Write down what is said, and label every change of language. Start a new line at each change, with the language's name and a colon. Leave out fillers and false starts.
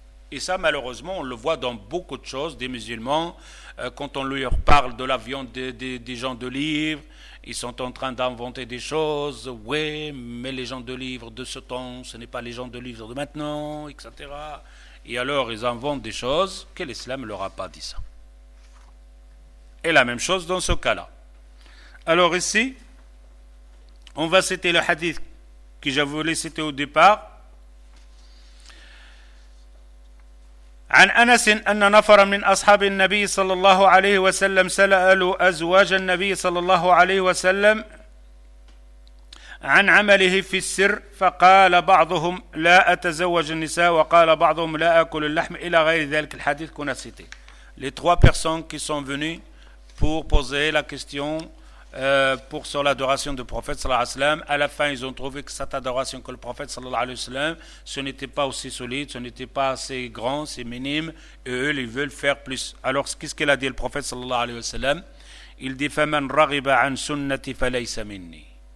French: Et ça, malheureusement, on le voit dans beaucoup de choses, des musulmans, quand on leur parle de la viande des gens de livre, ils sont en train d'inventer des choses, oui, mais les gens de livre de ce temps, ce n'est pas les gens de livre de maintenant, etc. Et alors, ils inventent des choses que l'islam ne leur a pas dit ça. Et la même chose dans ce cas-là. Alors ici, on va citer le hadith que je voulais citer au départ.
Arabic: عن أنس أن نفر من أصحاب النبي صلى الله عليه وسلم سألوا أزواج النبي صلى الله عليه وسلم عن عمله في السر فقال بعضهم لا أتزوج النساء وقال بعضهم لا أكل اللحم إلى غير ذلك الحديث كنا
French: citer. Les trois personnes qui sont venues pour poser la question pour sur l'adoration du prophète sallallahu alayhi wa sallam. À la fin, ils ont trouvé que cette adoration que le prophète sallallahu alayhi wa sallam, ce n'était pas aussi solide, ce n'était pas assez grand, c'est minime, et eux, ils veulent faire plus. Alors, qu'est-ce qu'il a dit le prophète sallallahu alayhi wa sallam? Il dit «
Arabic: Faman raghiba an sunnati falaysa minni ».